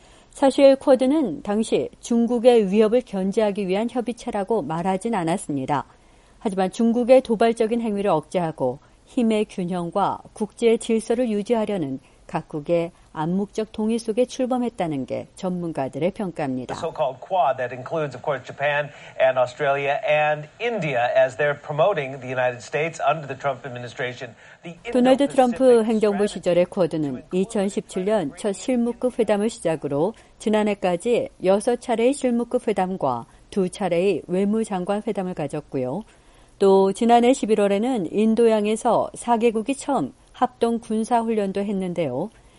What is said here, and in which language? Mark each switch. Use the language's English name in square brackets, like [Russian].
[Korean] 사실 쿼드는 당시 중국의 위협을 견제하기 위한 협의체라고 말하진 않았습니다. 하지만 중국의 도발적인 행위를 억제하고 힘의 균형과 국제 질서를 유지하려는 각국의 암묵적 동의 속에 출범했다는 게 전문가들의 평가입니다. [English] The so-called Quad that includes, of course, Japan and Australia and India as they're promoting the United States under the Trump administration. [Korean] 도널드 트럼프 행정부 시절의 쿼드는 2017년 첫 실무급 회담을 시작으로 지난해까지 6차례의 실무급 회담과 2차례의 외무장관 회담을 가졌고요. 또 지난해 11월에는 인도양에서 4개국이 처음 합동 군사훈련도 했는데요.